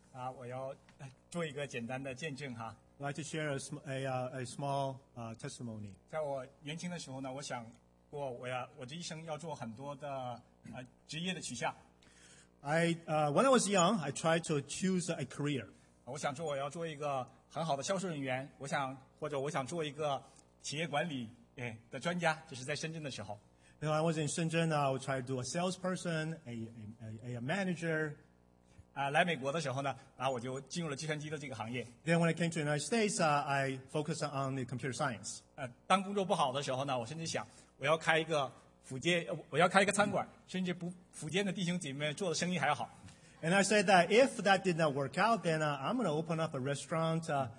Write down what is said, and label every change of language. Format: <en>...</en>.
<zh>啊，我要做一个简单的见证哈。</zh> <en>I'd like to share a small testimony.</en> <zh>在我年轻的时候呢，我想过我这一生要做很多的职业的取向。</zh> <en>When I was young, I tried to choose a career.</en> <zh>我想说我要做一个很好的销售人员，我想做一个企业管理的专家，就是在深圳的时候。</zh> <en>You know, I was in Shenzhen, I would try to do a salesperson, a manager.</en> <zh>来美国的时候呢，然后我就进入了计算机的这个行业。</zh> <en>Then when I came to the United States, I focused on the computer science.</en> <zh>当工作不好的时候呢，我甚至想我要开一个餐馆，甚至不福建的弟兄姐妹做的生意还要好。</zh> <en>And I said that if that did not work out, then I'm going to open up a restaurant,</en>